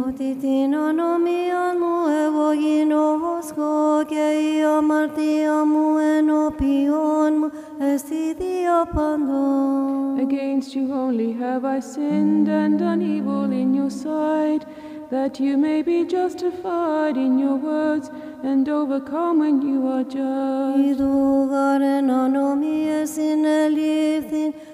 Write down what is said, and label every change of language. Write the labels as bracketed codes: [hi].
[el] Ότι την ανομίαν μου εγώ γινώσκω και η αμαρτία μου ενώπιον μου εστί δια πάντων. [en] Against you only have I sinned and done evil in your sight, that you may be justified in your words and overcome when you are judged. [el] Ιδού γαρεν ανομίες συνελήφθην